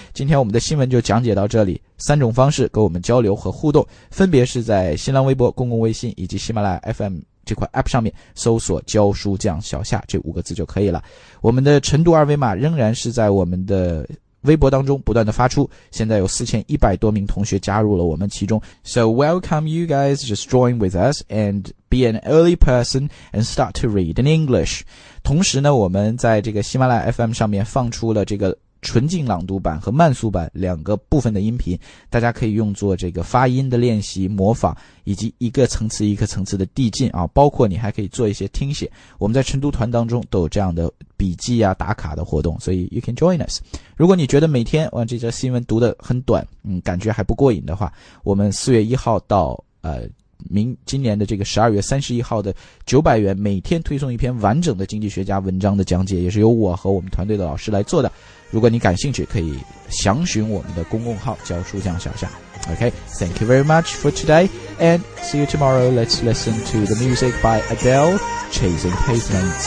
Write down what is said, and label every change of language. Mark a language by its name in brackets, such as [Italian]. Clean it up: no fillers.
[Chinese] 今天我们的新闻就讲解到这里。三种方式跟我们交流和互动，分别是在新浪微博、公共微信以及喜马拉雅 FM。这款 APP 上面搜索教书匠小夏这五个字就可以了。我们的晨读二维码仍然是在我们的微博当中不断的发出，现在有4100多名同学加入了我们其中。 [English] So welcome you guys, just join with us and be an early person and start to read in English. [Chinese] 同时呢，我们在这个喜马拉雅 FM 上面放出了这个纯净朗读版和慢速版两个部分的音频，大家可以用作这个发音的练习模仿以及一个层次一个层次的递进啊，包括你还可以做一些听写，我们在晨读团当中都有这样的笔记啊打卡的活动，所以 [English] you can join us。 [Chinese] 如果你觉得每天哇这则新闻读得很短，感觉还不过瘾的话，我们4月1号到今年的这个12月31号的900元每天推送一篇完整的经济学家文章的讲解，也是由我和我们团队的老师来做的，如果你感兴趣可以详询我们的公共号教书匠小夏。 [English] OK, thank you very much for today and see you tomorrow. Let's listen to the music by Adele, Chasing Pavements.